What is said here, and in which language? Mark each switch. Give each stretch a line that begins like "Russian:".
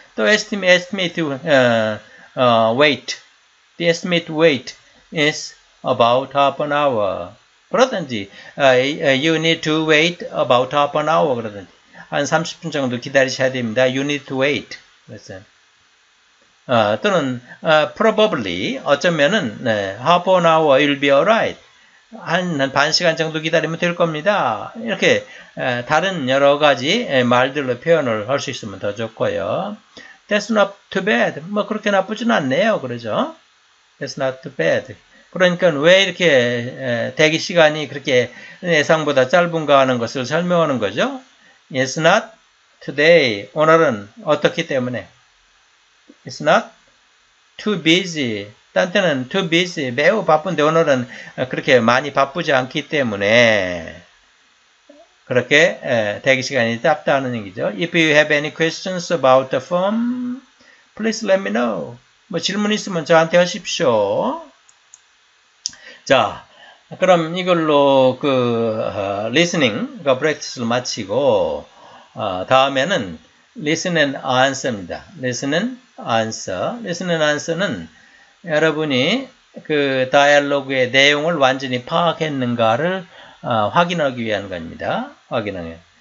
English: The estimated wait is about half an hour.
Korean: 그러든지,
English: you need to wait about half an hour.
Korean: 그러든지. 한 30분 정도 기다리셔야 됩니다.
English: You need to wait.
Korean: 그래서. 또는,
English: probably,
Korean: 어쩌면은, 네,
English: half an hour will be alright.
Korean: 한 반 시간 정도 기다리면 될 겁니다. 이렇게, 다른 여러 가지 말들로 표현을 할 수 있으면 더 좋고요.
English: That's not too bad.
Korean: 뭐, 그렇게 나쁘진 않네요. 그러죠?
English: That's not too bad.
Korean: 그러니까, 왜 이렇게, 대기 시간이 그렇게 예상보다 짧은가 하는 것을 설명하는 거죠?
English: It's not today.
Korean: 오늘은 어떻기 때문에?
English: It's not too busy.
Korean: 딴 때는
English: too busy.
Korean: 매우 바쁜데 오늘은 그렇게 많이 바쁘지 않기 때문에 그렇게 대기시간이 짧다는 얘기죠.
English: If you have any questions about the form, please let me know.
Korean: 뭐 질문 있으면 저한테 하십시오. 자, 그럼 이걸로 그 listening, 그 practice를 마치고 다음에는 listen and answer입니다.
English: Listen and answer.
Korean: Listen and answer는 여러분이 그 다이얼로그의 내용을 완전히 파악했는가를 확인하기 위한 겁니다. 확인해요.